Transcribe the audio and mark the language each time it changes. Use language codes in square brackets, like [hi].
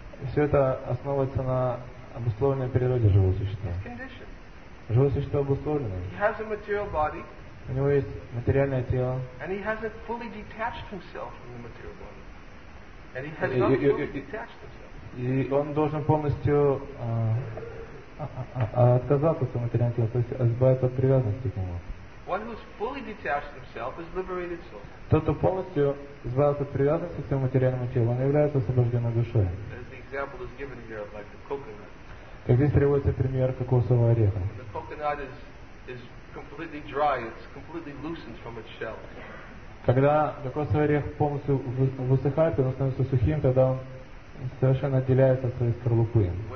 [ru] Все это основывается на обусловленной природе живого существа. Живое существо обусловлено. [en] He has a material body, [ru] у него есть материальное тело. [en] And he hasn't fully detached himself from the material body. And he has [ru] и он должен полностью отказаться от своего материального тела, то есть избавиться от привязанности к нему. [en] One who's fully detached himself is liberated soul. [ru] Тот, кто полностью избавился от привязанности к своему материальному телу, он является освобожденной душой. [en] As the example is given here, like the coconut. [ru] Как здесь приводится пример кокосового ореха. [en] The coconut is completely dry, it's completely loosened from its shell. [ru] Когда кокосовый орех полностью высыхает, он становится сухим, тогда он совершенно отделяется от своей скорлупы.